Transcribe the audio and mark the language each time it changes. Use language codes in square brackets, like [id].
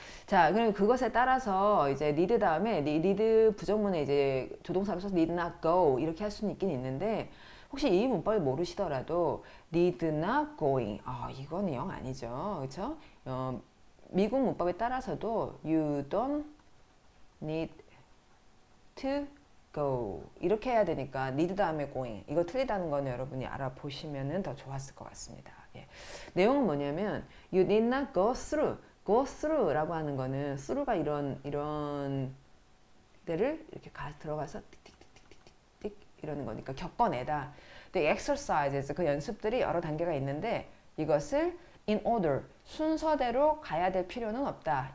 [ko] 자, 그럼 그것에 따라서 이제 need 다음에 need 부정문에 이제 조동사로 써서 need not go 이렇게 할 수는 있긴 있는데 혹시 이 문법을 모르시더라도 need not going 이건 영 아니죠, 그렇죠? 미국 문법에 따라서도 [en] you don't need to go [ko] 이렇게 해야 되니까 need 다음에 going 이거 틀리다는 거는 여러분이 알아보시면 더 좋았을 것 같습니다. 예. 내용은 뭐냐면 [en] you need not go through. [ko] go through라고 하는 거는 through가 이런 데를 이렇게 가 들어가서 틱틱틱틱틱 이러는 거니까 겪어내다. [en] The exercises [ko] 그 연습들이 여러 단계가 있는데 이것을 in order 순서대로 가야 될 필요는 없다.